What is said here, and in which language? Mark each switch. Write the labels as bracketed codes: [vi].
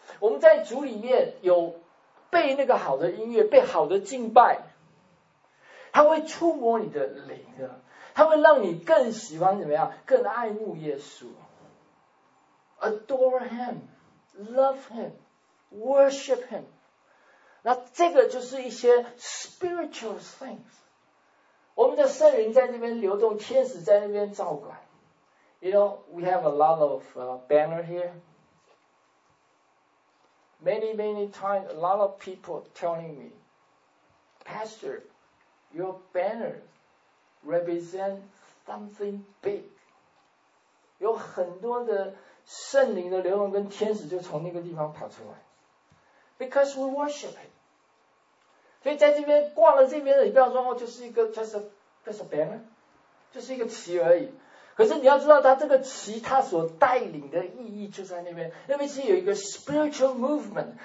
[zh] 我们在主里面有被那个好的音乐，被好的敬拜，它会触摸你的灵的，它会让你更喜欢怎么样，更爱慕耶稣， [en] adore him， love him，Worship him。 [zh] 那这个就是一些 [en] spiritual things。 [zh] 我们的圣灵在那边流动，天使在那边照管。 [en] You know, we have a lot of banner here. Many, many times, a lot of people telling me, Pastor, your banner represents something big. [zh] 有很多的圣灵的流动跟天使就从那个地方跑出来。 [en] Because we worship him. [zh] 所以在这边挂了这边的，你不要说就是一个 [en] just a banner， [zh] 就是一个旗而已。可是你要知道他这个旗他所带领的意义就在那边，那边其实有一个 [en] spiritual movement。